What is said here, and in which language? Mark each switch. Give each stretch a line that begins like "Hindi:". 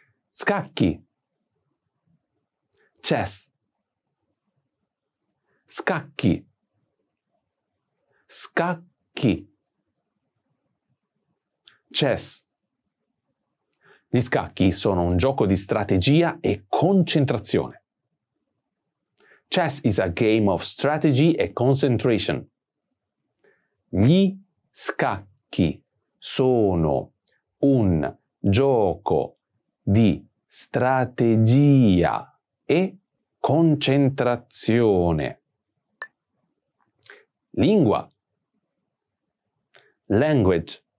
Italian: Scacchi. Chess. Scacchi. Scacchi.
English: Chess.
Italian: Gli scacchi sono un gioco di strategia e concentrazione.
English: Chess is a game of strategy and concentration.
Italian: Gli scacchi sono un gioco di strategia e concentrazione. Lingua. Language.